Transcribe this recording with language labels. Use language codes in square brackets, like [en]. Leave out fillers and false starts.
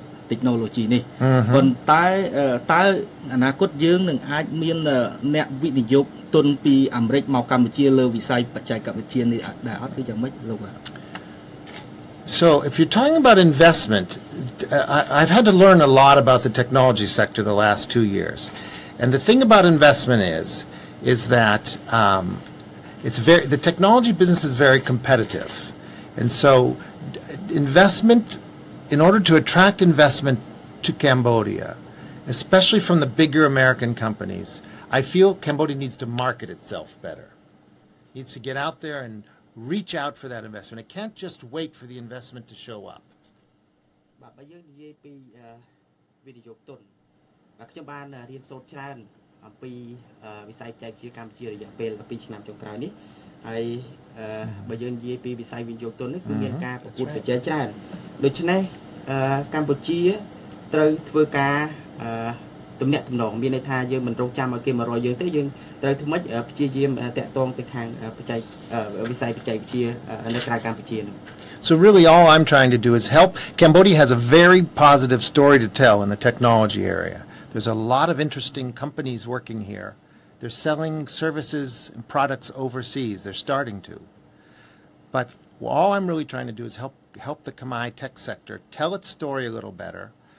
[km] តិចណូឡូជីនេះប៉ុន្តែតើអនាគតយើងនឹងអាចមានអ្នកវិនិយោគទុនពីអាមេរិកមកកម្ពុជាលើវិស័យបច្ចេកវិទ្យានេះដែរអត់ឬយ៉ាងម៉េចលោក [en] So if you're talking about investment, I've had to learn a lot about the technology sector the last 2 years. And the thing about investment is that the technology business is very competitive. And so investment, in order to attract investment to Cambodia, especially from the bigger American companies, I feel Cambodia needs to market itself better. It needs to get out there and reach out for that investment. It can't just wait for the investment to show up. [km] បាទបើយើងនិយាយពីវិនិយោគទុនបាទខ្ញុំបានរៀនសូត្រច្រើនអំពីវិស័យបច្ចេកវិទ្យាកម្ពុជារយៈពេល2ឆ្នាំចុងក្រោយនេះហើយបើយើងនិយាយពីវិស័យវិនិយោគទុននេះគឺមានការប្រកួតប្រជែងច្រើនដូច្នេះកម្ពុជាត្រូវធ្វើការទំនាក់ទំនងមានន័យថាយើងមិនរង់ចាំឲ្យគេមករយយើងទេយើងត្រូវធ្វើម៉េចព្យាយាមតាក់ទងទៅខាងបច្ចេកវិស័យបច្ចេកវិទ្យានៅក្រៅកម្ពុជានឹង [en] So really all I'm trying to do is help Cambodia has a very positive story to tell in the technology area there's a lot of interesting companies working here they're selling services and products overseas they're starting to but all I'm really trying to do is help the Khmer tech sector tell its story a little better